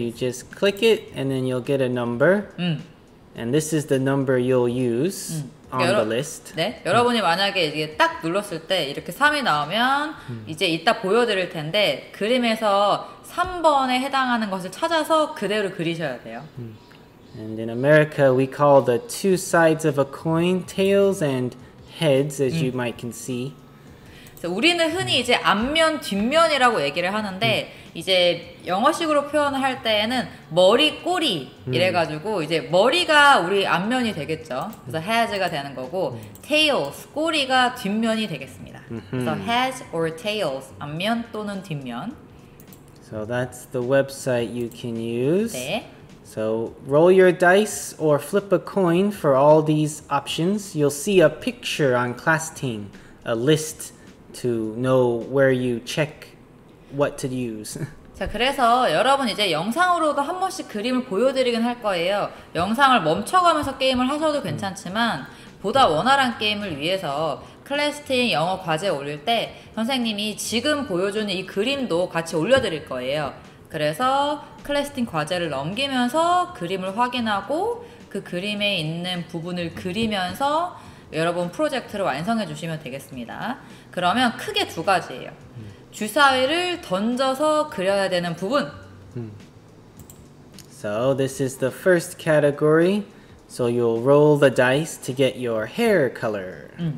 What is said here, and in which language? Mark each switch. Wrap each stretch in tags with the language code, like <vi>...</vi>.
<en>You just click it and then you'll get a number. And this is the number you'll use. On the list.</en> <ko>네, 여러분이 만약에 이게 딱 눌렀을 때 이렇게 3이 나오면 이제 이따 보여드릴 텐데 그림에서 3번에 해당하는 것을 찾아서 그대로 그리셔야 돼요.</ko> <en>And in America, we call the two sides of a coin tails and heads, as you might can see.</en> <ko>그래서 우리는 흔히 이제 앞면, 뒷면이라고 얘기를 하는데 이제 영어식으로 표현을 할 때에는 머리, 꼬리 이래가지고 이제 머리가 우리 앞면이 되겠죠. 그래서 heads가 되는 거고 tails, 꼬리가 뒷면이 되겠습니다. 그래서</ko> <en>heads or tails,</en> <ko>앞면 또는 뒷면.</ko> <en>So that's the website you can use. 네. So roll your dice or flip a coin for all these options. You'll see a picture on class team, a list to know where you check what to use.</en> <ko>자, 그래서 여러분 이제 영상으로도 한 번씩 그림을 보여드리긴 할 거예요. 영상을 멈춰가면서 게임을 하셔도 괜찮지만 보다 원활한 게임을 위해서 클래스팅 영어 과제 올릴 때 선생님이 지금 보여준 이 그림도 같이 올려드릴 거예요. 그래서 클래스팅 과제를 넘기면서 그림을 확인하고 그 그림에 있는 부분을 그리면서 여러분 프로젝트를 완성해 주시면 되겠습니다. 그러면 크게 두 가지예요. 주사위를 던져서 그려야 되는 부분.</ko> <en>So this is the first category. So you'll roll the dice to get your hair color.</en>